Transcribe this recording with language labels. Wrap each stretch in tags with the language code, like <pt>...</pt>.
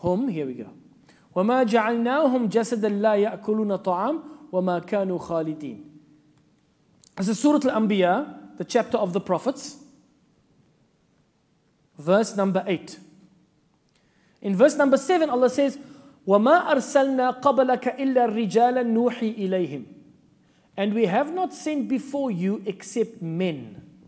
<en>Here we go.</en> <ar>وَمَا جَعَلْنَاهُمْ جَسَدًا لَا يَأْكُلُونَ طَعَامٍ وَمَا كَانُوا خَالِدِينَ.</ar> <en>This is Surah Al-Anbiya, the chapter of the prophets, verse number 8. In verse number 7, Allah says,</en> <ar>وَمَا أَرْسَلْنَا قَبْلَكَ إِلَّا رِجَالًا نُوحِي إِلَيْهِمْ.</ar> <en>And we have not sent before you except men.</en>